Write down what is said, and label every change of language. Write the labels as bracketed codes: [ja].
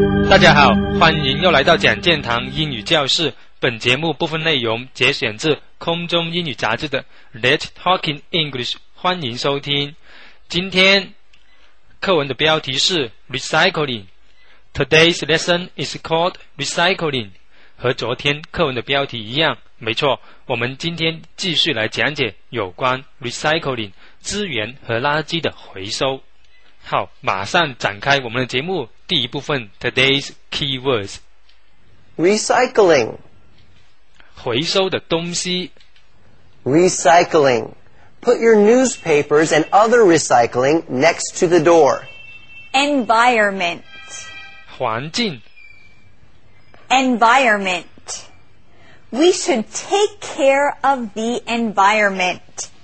[zh] 大家好，欢迎又来到讲健堂英语教室。本节目部分内容节选自空中英语杂志的 Let's Talking English， 欢迎收听。今天课文的标题是 Recycling。 [en] Today's lesson is called Recycling。 [zh] 和昨天课文的标题一样，没错，我们今天继续来讲解有关 recycling 资源和垃圾的回收。好，马上展开我们的节目第一部分 [en] Today's keywords Recycling [zh] 回收的东西 [en] Recycling Put your newspapers and other recycling next to the door Environment [zh] 环境 [en] Environment. We should take care of the environment.